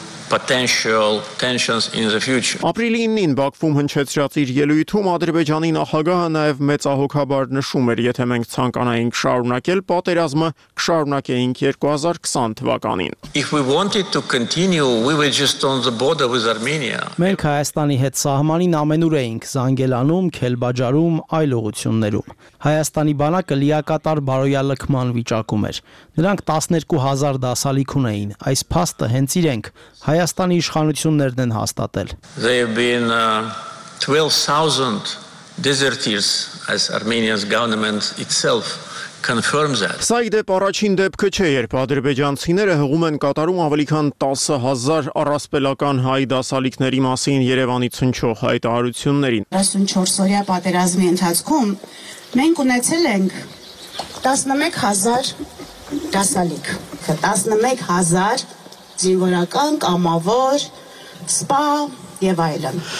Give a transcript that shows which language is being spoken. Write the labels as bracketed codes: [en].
[en] Potential tensions in the future. [hy] Ապրիլի 9-ին Բաքվում հնչեցրած իր ելույթում Ադրբեջանի նախագահը նաև մեծ ահոգաբար նշում էր, եթե մենք ցանկանայինք շարունակել պատերազմը, կշարունակեինք 2020 թվականին. [en] If we wanted to continue, we were just on the border with Armenia. [hy] Մենք Հայաստանի հետ սահմանին ամենուր էինք, Զանգելանում, Քելբաջարում, այլ ուղություններում։ Հայաստանի բանակը լիակատար բարոյալքման վիճակում էր։ Նրանք 12,000 դասալիք ունեին, այս փաստը հենց իրենք Հայաստանի իշխանություններն են հաստատել։ [en] There have been 12,000 deserters as Armenia's government itself confirms that. [hy] Սա իդեպ առաջին դեպքը չէ, երբ ադրբեջանցիները հղում են կատարում ավելի քան 10,000 առասպելական հայ դասալիքների մասին Երևանի ցնչող հայտարարություններին։ 24-օրյա պատերազմի ընթացքում մենք ունեցել ենք 11,000 դասալիք, 11,000 զինվորական, կամավոր, սպա եւ այլն։